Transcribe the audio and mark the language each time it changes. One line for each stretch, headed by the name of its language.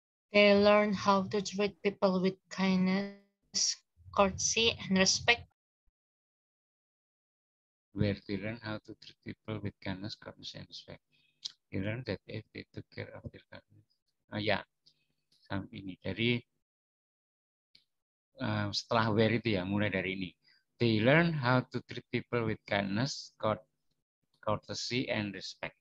English: They learn how to treat people with kindness, courtesy, and respect. Where they learn how to treat people with kindness, courtesy, and respect. They learn that if they took care of their customers.
Indonesian: Oh ya, sampai ini. Dari setelah where itu ya, mulai dari ini.
English: They learn how to treat people with kindness, courtesy, and respect.